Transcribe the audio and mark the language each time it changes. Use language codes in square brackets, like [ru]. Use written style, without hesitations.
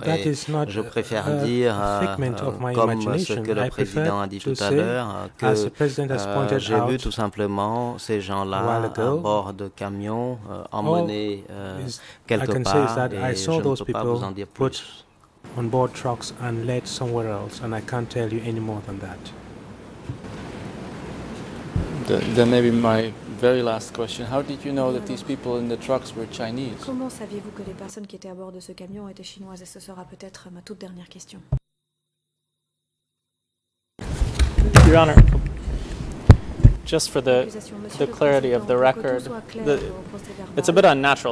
[en] That is not [fr] je préfère dire, comme ce que le président a dit tout à l'heure, que j'ai vu tout simplement ces gens-là [en] ago, [fr] à bord de camions emmenés quelque part, et je ne peux pas vous en dire plus. [en] On board trucks and led somewhere else, and I can't tell you any more than that. Then maybe my very last question. How did you know that these people in the trucks were Chinese? [fr] Comment saviez-vous que les personnes qui étaient à bord de ce camion étaient chinoises? Et ce sera peut-être ma toute dernière question. [en] Your Honor, just for the clarity of the record, it's a bit unnatural.